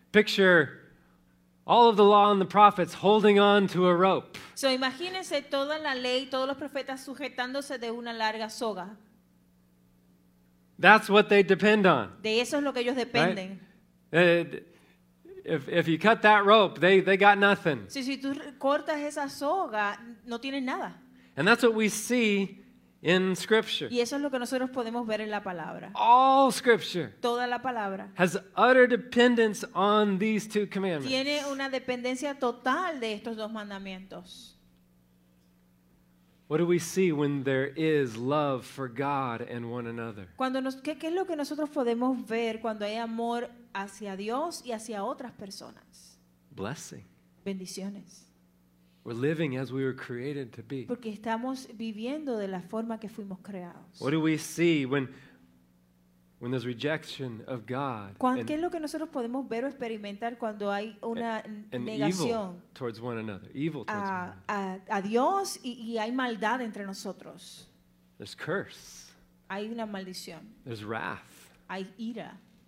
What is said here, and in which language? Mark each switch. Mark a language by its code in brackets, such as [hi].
[en] Picture All of the law and the prophets holding on to a rope. [es] So imagínense toda la ley, todos los profetas sujetándose de una larga soga. [en] That's what they depend on. [es] De eso es lo que ellos dependen. [en] Right? If you cut that rope, they got nothing. [es] Si tú cortas esa soga, no tienen nada. [en] And that's what we see in Scripture. [es] Y eso es lo que nosotros podemos ver en la palabra. [en] All Scripture. [es] Toda la palabra. [en] Has utter dependence on these two commandments. [es] Tiene una dependencia total de estos dos mandamientos. [en] What do we see when there is love for God and one another? [es] ¿Qué es lo que nosotros podemos ver cuando hay amor hacia Dios y hacia otras personas? [en] Blessing. [es] Bendiciones. [en] We're living as we were created to be. [es] Porque estamos viviendo de la forma que fuimos creados. [en] What do we see when there's rejection of God? [es] ¿Qué es lo que nosotros podemos ver o experimentar cuando hay una negación [en] towards one another? Evil towards [es] a Dios y hay maldad entre nosotros. [en] There's curse. [es] Hay una maldición. [en] There's wrath. [es] Hay ira.